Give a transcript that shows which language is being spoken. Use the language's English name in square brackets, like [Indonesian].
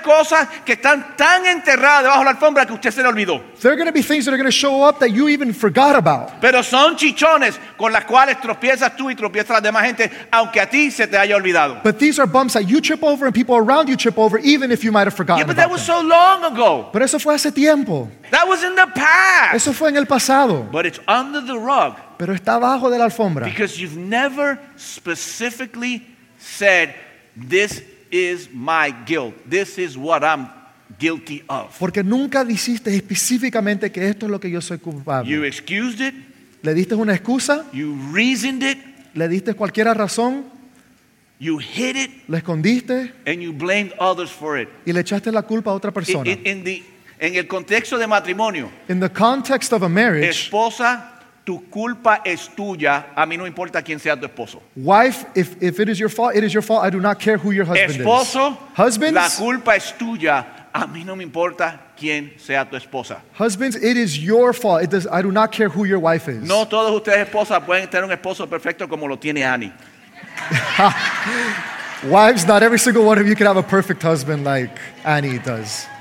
[Spanish] cosas que están tan enterradas debajo la alfombra que usted se le olvidó. [English] There are going to be things that are going to show up that you even forgot about. [Spanish] Pero son chichones con las cuales tropiezas tú y tropiezas la demás gente, aunque a ti se te haya olvidado. [English] But these are bumps that you trip over and people around you trip over, even if you might have forgotten. Yeah, but that was them so long ago. [Spanish] Pero eso fue hace tiempo. [English] That was in the past. [Spanish] Eso fue en el pasado. [English] But it's under the rug. [Spanish] Pero está bajo de la alfombra. [English] Because you've never specifically said, "This is my guilt. This is what I'm guilty of." [Spanish] Porque nunca dijiste específicamente que esto es lo que yo soy culpable. [English] You excused it. [Spanish] Le diste una excusa. [English] You reasoned it. [Spanish] Le diste cualquier razón. [English] You hid it. [Spanish] Lo escondiste. [English] And you blamed others for it. [Spanish] Y le echaste la culpa a otra persona. En el contexto de matrimonio. [English] In the context of a marriage. [Spanish] Esposa, tu culpa es tuya. A mí no importa quién sea tu esposo. [English] Wife, if it is your fault, it is your fault. I do not care who your husband [Spanish] esposo, [English] is. [Spanish] Esposo, [English] husbands, [Spanish] la culpa es tuya. A mí no me importa quién sea tu esposa. [English] Husbands, it is your fault. I do not care who your wife is. [Spanish] No todos ustedes esposas pueden tener un esposo perfecto como lo tiene Annie. [English] Wives, not every single one of you can have a perfect husband like Annie does.